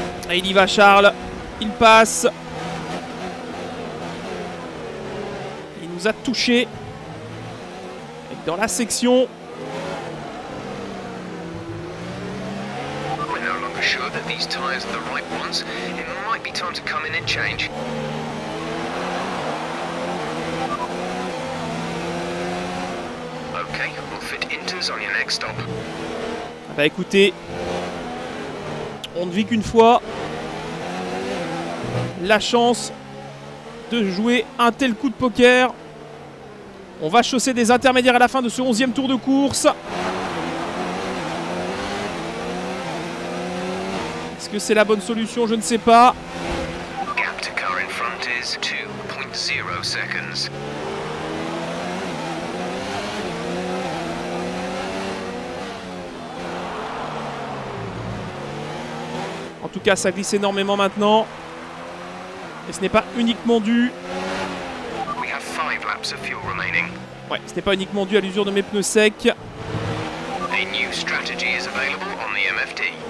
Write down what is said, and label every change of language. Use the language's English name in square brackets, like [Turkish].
[French] Il y va Charles, il passe. Il nous a touché dans la section. [English] We're no longer sure that these tires are the right ones. It might be time to come in and change. Okay, we'll fit Inters on your next stop. [French] Bah écoutez, on ne vit qu'une fois. La chance de jouer un tel coup de poker. On va chausser des intermédiaires à la fin de ce 11e tour de course. Est-ce que c'est la bonne solution ? Je ne sais pas. [English] Gap to car in front is 2.0 seconds. [French] En tout cas, ça glisse énormément maintenant. Et ce n'est pas uniquement dû. [English] We have five laps of fuel remaining. [French] Ouais, ce n'est pas uniquement dû à l'usure de mes pneus secs. [English] A new strategy is available on the MFD.